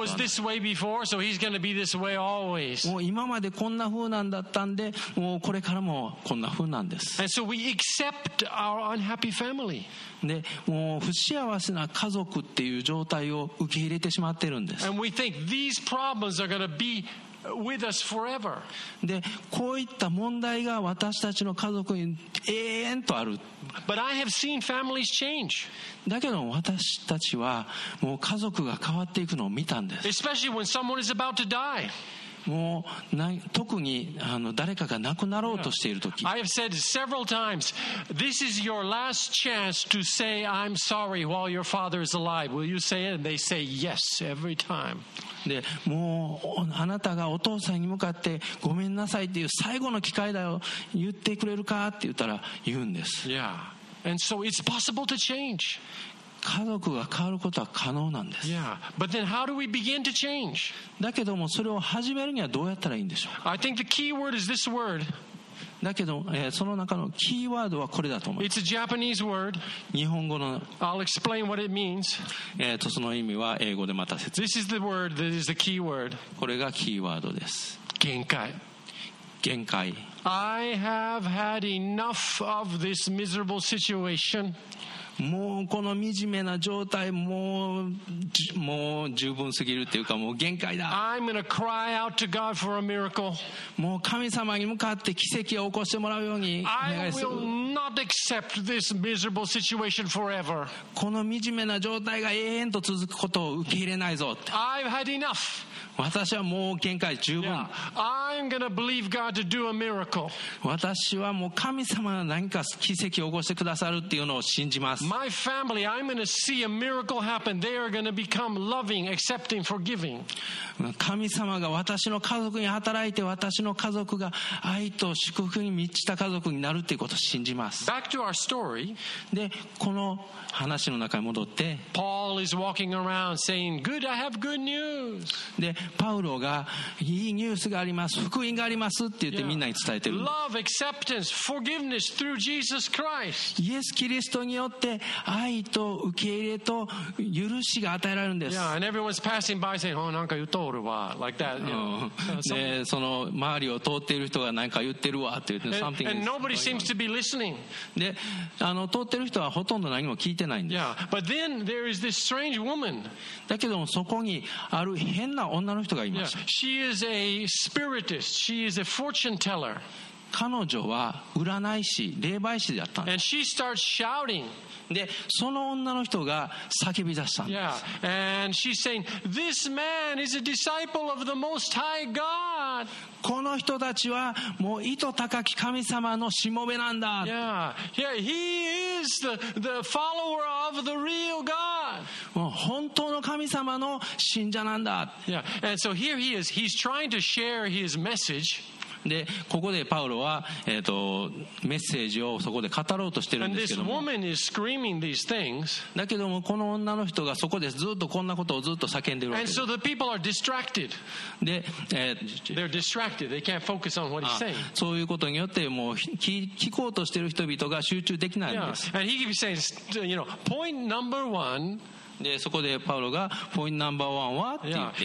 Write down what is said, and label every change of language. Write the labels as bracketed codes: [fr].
[ja] はない。 [en] He was this way before, so he's going to be this way always. [ja] もう今までこんな風なんだったんで、もうこれからもこんな風なんです。 [en] And so we accept our unhappy family. [ja] でもう不幸せな家族っていう状態を受け入れてしまってるんです。 [en] And we think these problems are going to be with us forever. [ja] でこういった問題が私たちの家族に永遠とある。 [en] But I have seen families change. [ja] だけど私たちはもう家族が変わっていくのを見たんです。 [en] Especially when someone is about to die. [ja] もう特に誰かが亡くなろうとしているとき、 [en] I have said several times, this is your last chance to say I'm sorry while your father is alive. Will you say it? And they say yes every time. [ja] で、もうあなたがお父さんに向かってごめんなさいっていう最後の機会だよ、言ってくれるかって言ったら言うんです。 [en] Yeah. And so it's possible to change. [ja] 家族が変わることは可能なんです。 [en] Yeah. But then how do we begin to change? [ja] だけどもそれを始めるにはどうやったらいいんでしょう。 [en] I think the key word is this word. [ja] だけど、その中のキーワードはこれだと思います。 [en] It's a Japanese word. [ja] 日本語の。 [en] I'll explain what it means. [ja] その意味は英語でまた説明。 [en] This is the word that is the key word. [ja] これがキーワードです。限界。限界。 [en] I have had enough of this miserable situation. [ja] もうこの惨めな状態もう十分すぎるっていうか、もう限界だ。 [en] I'm gonna cry out to God for a miracle. [ja] もう神様に向かって奇跡を起こしてもらうようにお願いする。 [en] I will not accept this miserable situation forever. [ja] この惨めな状態が永遠と続くことを受け入れないぞって。 [en] I've had enough. [ja] 私はもう限界十分。 [en] Yeah. I'm gonna believe God to do a miracle. [ja] 私はもう神様が何か奇跡を起こしてくださるっていうのを信じます。 [en] My family, I'm gonna see a miracle happen. They are gonna become loving, accepting, forgiving. [ja] 神様が私の家族に働いて、私の家族が愛と祝福に満ちた家族になるっていうことを信じます。 [en] Back to our story. [ja] で、この話の中に戻って、 [en] Paul is walking around saying, "Good, I have good news." [ja] でパウロがいいニュースがあります、福音がありますって言ってみんなに伝えてる。 [en] Love, acceptance, forgiveness through Jesus Christ. [ja] イエス・キリストによって愛と受け入れと許しが与えられるんです。 [en] Yeah, and everyone's passing by saying, oh, [ja] なんか言っとるわ [en] like that, you know. [ja] ね、その周りを通っている人がなんか言ってるわって言って [en] something and nobody seems to be listening. [ja] で、通ってる人はほとんど何も聞いてないんです。 [en] Yeah, but then there is this strange woman. [ja] だけどもそこにある変な女の人がいました。 [en] Yeah, she is a spiritist. She is a fortune teller. [ja] 彼女は占い師、霊媒師であったんです。 [en] And she starts shouting. [ja] で、その女の人が叫び出したんです。 [en] Yeah, and she's saying, this man is a disciple of the Most High God. [ja] この人たちはもういと高き神様のしもべなんだ。 [en] yeah. Yeah, he is the follower of the real God. [ja] もう本当の神様の信者なんだ。 [en] yeah. And so here he is. He's trying to share his message. [ja] でここでパウロは、メッセージをそこで語ろうとしてるんですけども。 [en] And this woman is screaming these things. [ja] だけどもこの女の人がそこでずっとこんなことをずっと叫んでるわけです。 [en] And so the people are distracted. [ja] で、 [en] They're distractedThey can't focus on what he's saying. [ja] そういうことによってもう聞こうとしている人々が集中できないんです。 [en] Yeah. And he keeps saying, you know, point number one. [ja] でそこでパウロがポイントナンバーワンはって言って、